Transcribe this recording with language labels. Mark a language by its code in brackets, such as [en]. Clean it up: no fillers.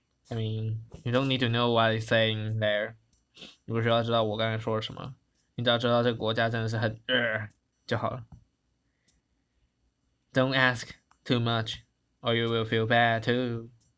[en] I mean, you don't need to know what I'm saying there. [zh] 你不需要知道我刚才说了什么，你只要知道这个国家真的是很就好了。 [en] Don't ask too much, or you will feel bad too.